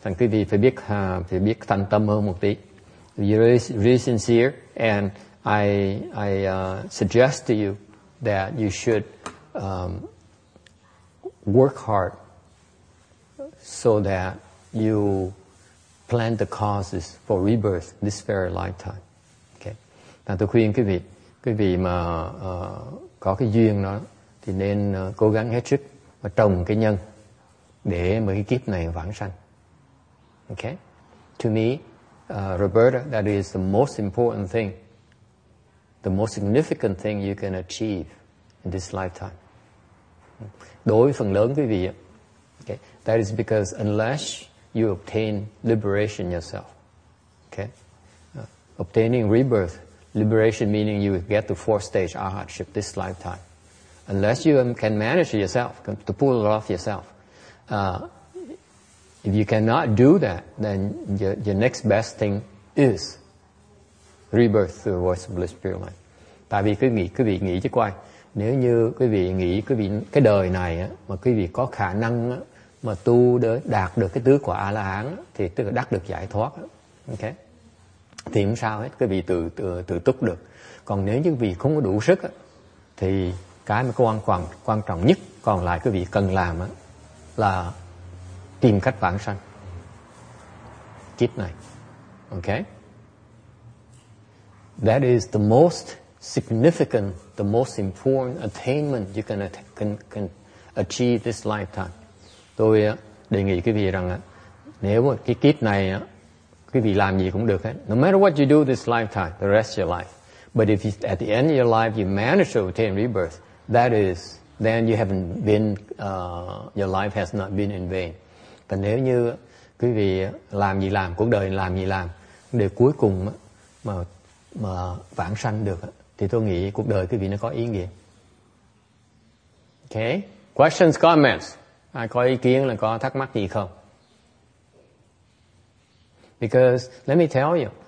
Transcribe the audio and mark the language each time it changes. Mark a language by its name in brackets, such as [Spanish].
[Vietnamese] Thành quý vị phải biết thành tâm hơn một tí. [English] You're really sincere, and I suggest to you that you should work hard so that you plant the causes for rebirth this very lifetime. Okay. [Vietnamese] Và tôi khuyên quý vị mà có cái duyên đó thì nên cố gắng hết sức và trồng cái nhân để mà cái kiếp này vãng sanh. [English] Okay. To me, Roberta, that is the most important thing, the most significant thing you can achieve in this lifetime. [Vietnamese] Đối với phần lớn quý vị, [English] okay, that is because unless you obtain liberation yourself, okay, obtaining rebirth, liberation meaning you get to 4-stage arhatship this lifetime, unless you can manage it yourself, to pull it off yourself, if you cannot do that, then your next best thing is rebirth through the voice of bliss pure mind. [Vietnamese] Tại vì quý vị nghĩ chứ coi, nếu như quý vị nghĩ cái đời này á, mà quý vị có khả năng á, mà tu để đạt được cái tứ quả A-la-hán thì tức là đắc được giải thoát á. Okay. Thì không sao hết, quý vị tự túc được. Còn nếu như quý vị không có đủ sức á, thì cái mà quan trọng nhất còn lại quý vị cần làm á, là tìm cách vãng sanh kiếp này. [English] Okay. That is the most significant, the most important attainment you can achieve this lifetime. [Vietnamese] Tôi đề nghị quý vị rằng nếu cái kiếp này quý vị làm gì cũng được hết, [English] no matter what you do this lifetime, the rest of your life. But if at the end of your life you manage to obtain rebirth, that is, then you haven't been, your life has not been in vain. [Vietnamese] Và nếu như quý vị làm gì làm, cuộc đời làm gì làm, để cuối cùng mà vãng sanh được, thì tôi nghĩ cuộc đời quý vị nó có ý nghĩa. [English] Okay, questions, comments. [Vietnamese] Ai có ý kiến là có thắc mắc gì không? [English] Because let me tell you,